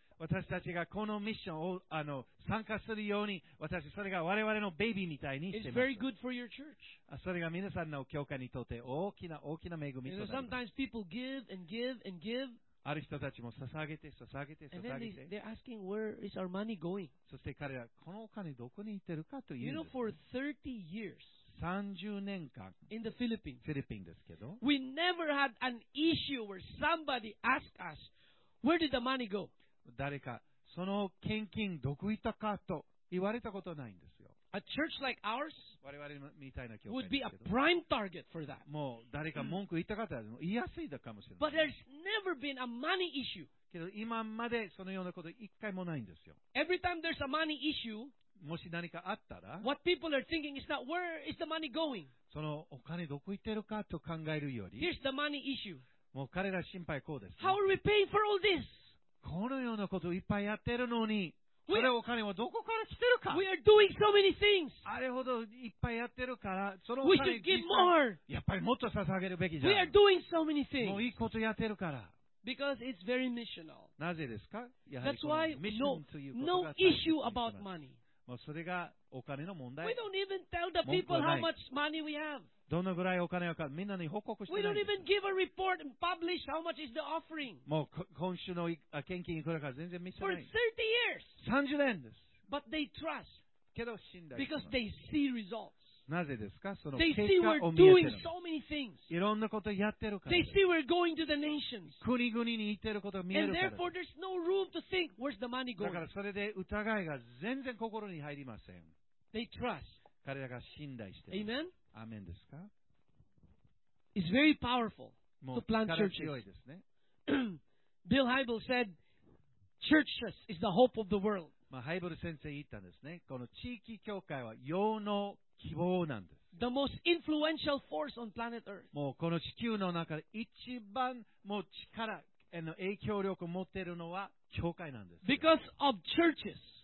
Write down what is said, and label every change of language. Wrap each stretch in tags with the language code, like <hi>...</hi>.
<ja>私たちがこのミッションを参加するように、私それが我々のベビーみたいにしてます。</ja> <en>It's very good for your church.</en> <ja>それが皆さんの教会にとって大きな大きな恵みとなります。</ja> <en>You know, sometimes people give and give and give.</en> <ja>ある人たちも捧げて捧げて捧げて。</ja> <en>And then they're asking, where is our money going?</en> <ja>そして彼らこのお金どこに行ってるかというんです。</ja> <en>You know, for 30 years.</en> <ja>30年間。</ja> <en>In the Philippines.</en> <ja>フィリピンですけど。</ja> <en>We never had an issue where somebody asked us, where did the money go?</en> <ja>誰かその献金どこ行ったかと言われたことないんですよ。</ja> <en>A church like ours</en> <ja>我々みたいな教会ですけど</ja> <en>would be a prime target for that.</en> <ja>もう誰か文句言ったかったら言いやすいだかもしれない。</ja> <en>But there's never been a money issue.</en> <ja>けど今までそのようなこと一回もないんですよ。</ja> <en>Every time there's a money issue,</en> <ja>もし何かあったら</ja> <en>what people are thinking is not where is the money going.</en> <ja>そのお金どこ行ってるかと考えるより</ja> <en>here's the money issue.</en> <ja>もう彼ら心配こうです。</ja> <en>How are we paying for all this?</en> <ja>このようなことをいっぱいやってるのに、それお金はどこから来てるか。</ja> <en>We are doing so many things.</en> <ja>あれほどいっぱいやってるから、そのお</ja> <en>金 We should give more.</en> <ja>やっぱりもっと捧げるべきじゃん。</ja> <en>We are doing so many things.</en> <ja>もういいことやってるから。</ja> <en>Because it's very missional.</en> <ja>なぜですか？やはりミッションということ</ja> <en>が No issue about money.</en> <ja>もうそれがお金の問題。</ja> <en>We don't even tell the people how much money we have.</en> <ja>どのぐらいお金をかみんなに報告してない。</ja> <en>We don't even give a report and publish how much is the offering.</en> <ja>もう今週の献金いくらか全然見せない。</ja> <en>For 30 years.</en> <ja>30年です。</ja> <en>But they trust.</en> <ja>けど信頼。</ja> <en>Because they see results.</en> <ja>なぜですか？その結果を見えてる。</ja> <en>They see we're doing so many things.</en> <ja>いろんなことやってるから。</ja> <en>They see we're going to the nations.</en> <ja>国々に行ってることが見えるから。</ja> <en>And therefore there's no room to think where's the money going.</en> <ja>だからそれで疑いが全然心に入りません。</ja> <en>They trust.</en> <ja>彼らが信頼して</ja> <en>る。Amen.</en> <ja>アーメンですか?</ja> <en>It's very powerful to plant churches.</en> <ja>もう力強いですね。</ja> <en>Bill Hybel said, "Churches is the hope of the world."</en> <ja>まあハイブル先生言ったんですね。この地域教会は世の希望なんです。</ja> <en>The most influential force on planet Earth.</en> <ja>もうこの地球の中で一番もう力への影響力を持っているのは教会なんです。</ja> <en>Because of churches,</en>